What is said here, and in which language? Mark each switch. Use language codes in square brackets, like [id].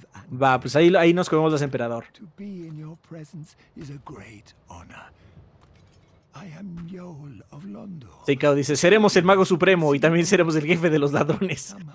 [es] Va, pues ahí nos comemos las Emperador. [en] To be in your presence is a great honor. I am Yol of Londo. [es] Seikao dice: seremos el mago supremo y también seremos el jefe de los ladrones.